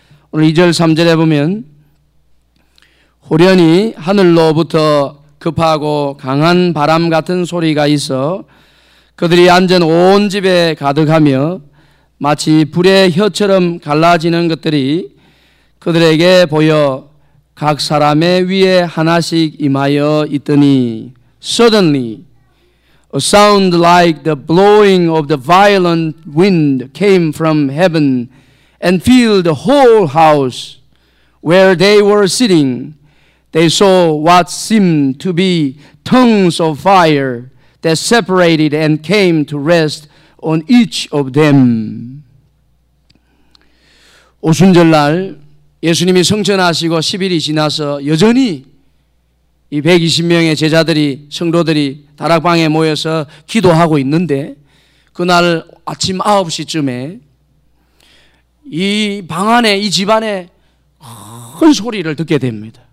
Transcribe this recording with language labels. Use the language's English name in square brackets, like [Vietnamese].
[Korean] 오늘 2절 3절에 보면 홀연히 하늘로부터 급하고 강한 바람 같은 소리가 있어 그들이 앉은 온 집에 가득하며 마치 불의 혀처럼 갈라지는 것들이 그들에게 보여 각 사람의 위에 하나씩 임하여 있더니 [English] Suddenly a sound like the blowing of the violent wind came from heaven and filled the whole house where they were sitting. They saw what seemed to be tongues of fire that separated and came to rest on each of them. [Korean] 오순절날 예수님이 승천하시고 10일이 지나서 여전히 이 120명의 제자들이 성도들이 다락방에 모여서 기도하고 있는데 그날 아침 9시쯤에 이 방 안에 이 집 안에 큰 소리를 듣게 됩니다.